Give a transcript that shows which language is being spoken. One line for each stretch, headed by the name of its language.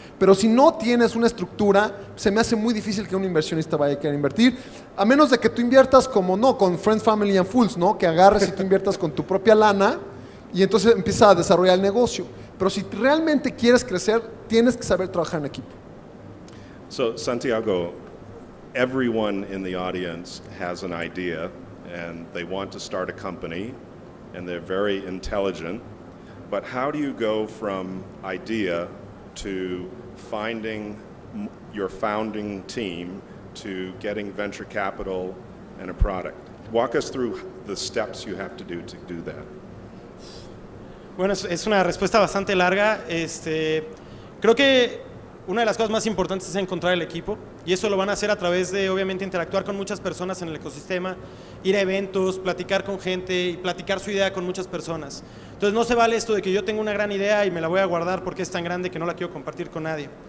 Spanish: Pero si no tienes una estructura, se me hace muy difícil que un inversionista vaya a querer invertir. A menos de que tú inviertas con Friends, Family and Fools, ¿no? Que agarres y tú inviertas con tu propia lana y entonces empiezas a desarrollar el negocio. Pero si realmente quieres crecer, tienes que saber trabajar en equipo.
English: So, Santiago, everyone in the audience has an idea and they want to start a company and they're very intelligent, but how do you go from idea to finding your founding team to getting venture capital and a product? Walk us through the steps you have to do to do that.
Spanish: Bueno, es una respuesta bastante larga. Creo que una de las cosas más importantes es encontrar el equipo, y eso lo van a hacer a través de, obviamente, interactuar con muchas personas en el ecosistema, ir a eventos, platicar con gente y platicar su idea con muchas personas. Entonces, no se vale esto de que yo tengo una gran idea y me la voy a guardar porque es tan grande que no la quiero compartir con nadie.